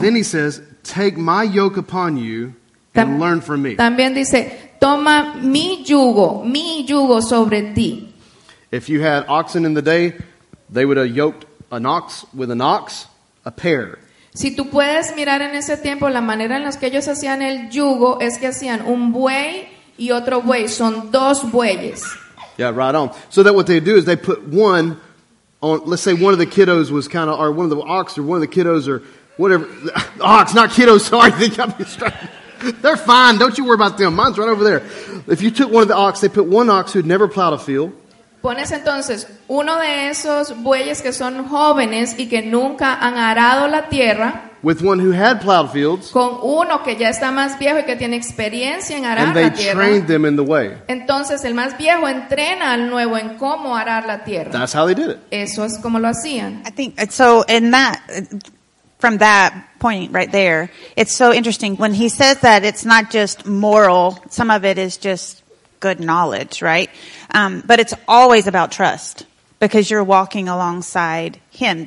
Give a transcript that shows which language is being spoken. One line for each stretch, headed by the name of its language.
English: Then he says, take my yoke upon you and learn from me.
Spanish: También dice, toma mi yugo sobre ti.
English: If you had oxen in the day, they would have yoked an ox with an ox, a pair.
Spanish: Si tú puedes mirar en ese tiempo la manera en la que ellos hacían el yugo es que hacían un buey y otro buey. Son dos bueyes.
English: Yeah, right on. So that what they do is they put one on, let's say one of the kiddos was kind of, or one of the ox or one of the kiddos or whatever. Ox, not kiddos, sorry. They got me struck. They're fine. Don't you worry about them. Mine's right over there. If you took one of the ox, they put one ox who'd never plowed a field.
Spanish: Pones entonces uno de esos bueyes que son jóvenes y que nunca han arado la tierra.
English: With one who had plowed fields.
Spanish: Con uno que ya está más viejo y que tiene experiencia en arar la tierra.
English: And they trained them in the way.
Spanish: Entonces el más viejo entrena al nuevo en cómo arar la tierra.
English: That's how they did it.
Spanish: Eso es como lo hacían.
English: I think, so in that, from that point right there, it's so interesting. When he says that it's not just moral, some of it is just good knowledge, right? But it's always about trust because you're walking alongside Him.